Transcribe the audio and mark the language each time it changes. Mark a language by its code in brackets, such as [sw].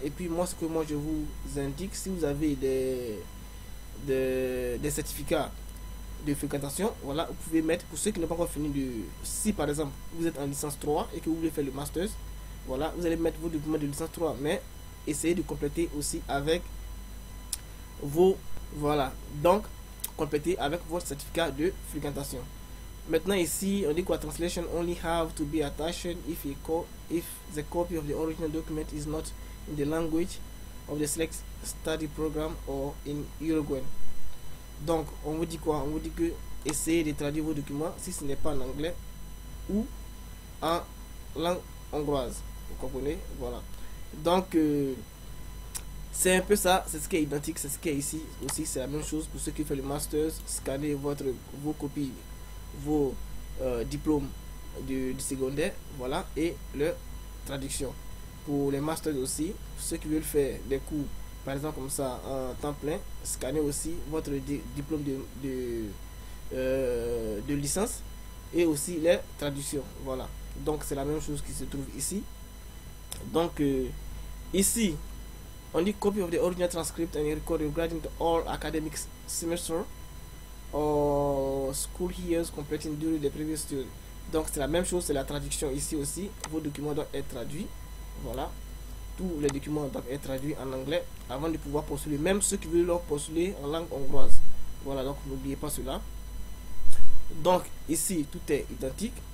[fr] Et puis moi, ce que moi je vous indique, si vous avez des certificats de fréquentation, voilà, vous pouvez mettre, pour ceux qui n'ont pas encore fini de, si par exemple vous êtes en licence 3 et que vous voulez faire le master, voilà, vous allez mettre vos documents de licence 3, mais essayez de compléter aussi avec vos, voilà, donc compléter avec votre certificat de fréquentation. Maintenant ici, on dit quoi? [en] Translation only have to be attached if the copy of the original document is not in the language of the select study program or in Uruguayan. [fr] Donc, on vous dit quoi? On vous dit que essayez de traduire vos documents si ce n'est pas en anglais ou en langue hongroise. Vous comprenez? Voilà. Donc, c'est un peu ça, c'est ce qui est identique, c'est ce qui est ici aussi, c'est la même chose pour ceux qui font le master. Scannez vos copies, vos diplômes du secondaire, voilà, et leur traduction. Pour les masters aussi, pour ceux qui veulent faire des cours, par exemple comme ça, en temps plein, scannez aussi votre diplôme de licence et aussi les traductions, voilà. Donc c'est la même chose qui se trouve ici. Donc ici, on dit [en] copy of the original transcript and record regarding all academic semester or school years completing during the previous study. [fr] Donc c'est la même chose, c'est la traduction ici aussi. Vos documents doivent être traduits. Voilà. Tous les documents doivent être traduits en anglais avant de pouvoir postuler, même ceux qui veulent leur postuler en langue hongroise. Voilà, donc n'oubliez pas cela. Donc ici, tout est identique.